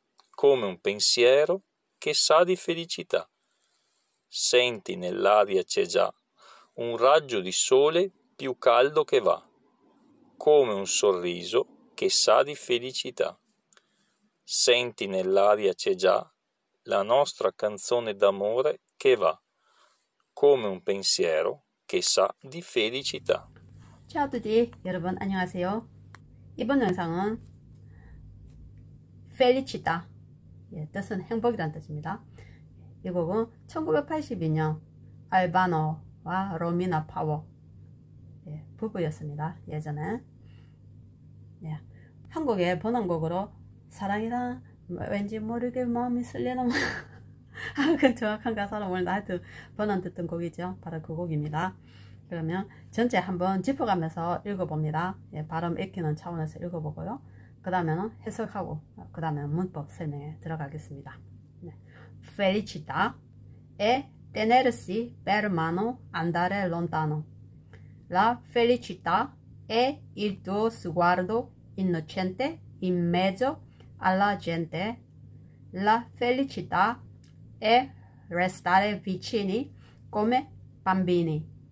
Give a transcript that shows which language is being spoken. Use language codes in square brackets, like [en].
[it] Come un pensiero che sa di felicità. Senti, nell'aria c'è già un raggio di sole più caldo che va, come un sorriso che sa di felicità. Senti, nell'aria c'è già la nostra canzone d'amore che va, come un pensiero che sa di felicità. Ciao a tutti, [ko] 여러분, 안녕하세요. 이번 영상은 Felicità. 예, 뜻은 행복이란 뜻입니다. 이 곡은 1982년 알바노와 로미나 파워 예, 부부였습니다. 예전에 예, 한국의 번안곡으로 사랑이란 왠지 모르게 마음이 설레는 그 정확한 가사는 모르는데 하여튼 번안 듣던 곡이죠. 바로 그 곡입니다. 그러면 전체 한번 짚어가면서 읽어봅니다. 예, 발음 익히는 차원에서 읽어보고요. 그 다음에는 해석하고, 그 다음에는 문법 설명에 들어가겠습니다. 네. [it] Felicità è tenersi per mano andare lontano. La felicità è il tuo sguardo innocente in mezzo alla gente. La felicità è restare vicini come bambini.